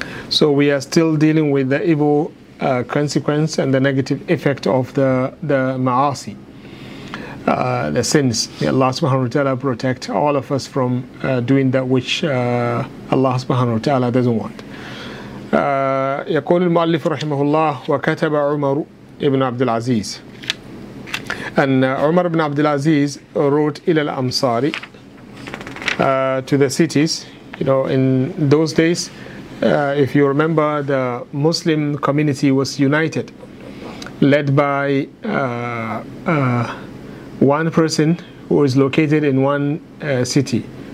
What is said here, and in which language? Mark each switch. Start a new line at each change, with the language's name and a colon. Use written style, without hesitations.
English: So we are still dealing with the evil consequence and the negative effect of the ma'asi, the sins. May Allah subhanahu wa ta'ala protect all of us from doing that which Allah subhanahu wa ta'ala doesn't want.
Arabic: يقول المؤلف رحمه الله وكتب عمر ابن عبد العزيز.
English: And Umar ibn Abdul Aziz wrote
Arabic: إلى الأمصاري
English: to the cities. You know, in those days, if you remember, the Muslim community was united, led by one person who is located in one city.